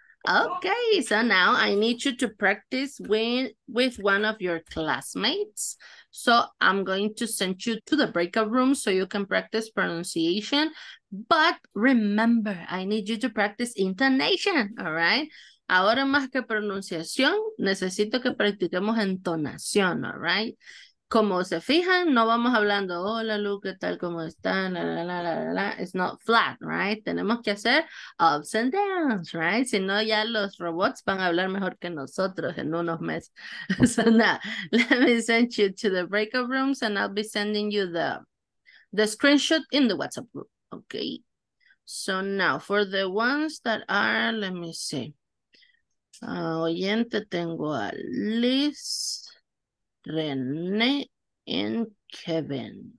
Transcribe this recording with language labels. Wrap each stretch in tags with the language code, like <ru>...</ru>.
<en>Okay, so now I need you to practice with one of your classmates. So I'm going to send you to the breakout room so you can practice pronunciation. But remember, I need you to practice intonation, all right?</en> <es>Ahora más que pronunciación, necesito que practiquemos entonación,</es> <en>all right?</en> <es>Como se fijan, no vamos hablando, hola, Lu, ¿qué tal? ¿Cómo están?</es> <en>It's not flat, right?</en> <es>Tenemos que hacer</es> <en>ups and downs, right?</en> <es>Si no, ya los robots van a hablar mejor que nosotros en unos meses.</es> <en>So now, let me send you to the breakout rooms and I'll be sending you the screenshot in the WhatsApp group, okay? So now, for the ones that are, let me see.</en> <es>Oyente, tengo a Liz, René and Kevin.</es>